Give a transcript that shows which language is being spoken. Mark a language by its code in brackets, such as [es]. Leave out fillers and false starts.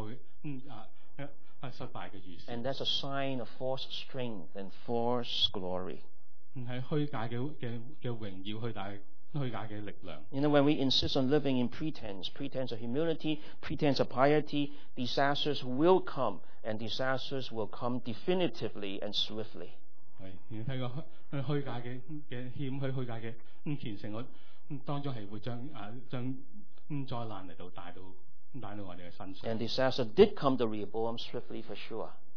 [zh] 就是看罗邦安第三个失败的预示。 [en] And that's a sign of false strength and false glory. [zh] 是虚假的荣耀,虚假的力量。 [en] You know, when we insist on living in pretense, pretense of humility, pretense of piety, disasters will come, and disasters will come definitively and swiftly. [zh] 是,你看过虚假的谦虚,虚假的虔诚,当中是会将灾难来到,带到我们的身上。 [en] And disaster did come to Rehoboam swiftly for sure.